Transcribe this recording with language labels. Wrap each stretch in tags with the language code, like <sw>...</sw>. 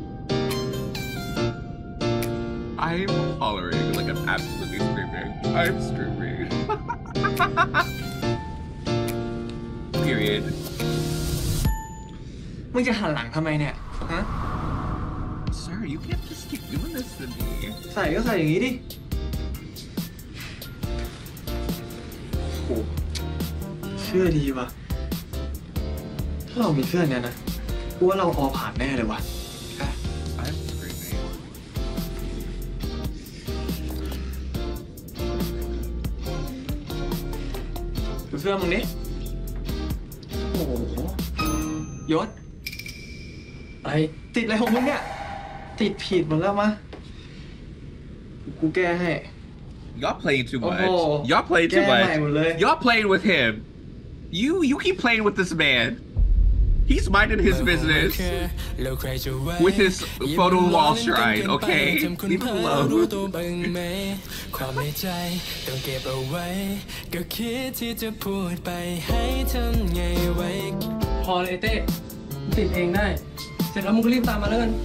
<en>I'm hollering like I'm absolutely screaming. I'm screaming. Period.</en> <th>มึงจะหันหลังทำไมเนี่ยฮะ</th> <en>You can't just keep doing this to me.</en> <th>ใส่ก็ใส่อย่างนี้ดิ โอ้ เชื่อดีวะ ถ้าเรามีเพื่อนเนี่ยนะ กลัวเราออกผ่านแน่เลยวะ</th> <en>I'm screaming.</en> <th>ดูเสื้อมึงดิ โอ้โห ยศ ไอ้ ติดอะไรของมึงเนี่ยติดผิดหมดแล้วมะกูแก้ให้</th> <en>You're playing too much You're playing too much</en> <th>แก้ใหม่หมดเลย</th> <en>You're playing with him You keep playing with this man He's minding his business With his photo wall shrine Okay Leave him alone</en> <th>ความในใจต้องเก็บเอาไว้ก็คิ ดที่จะพูดไปให้ทำไงไว้พอเลยเต้ติดเองได้เสร็จแล้วมึงก็รีบตามมาเลย</th>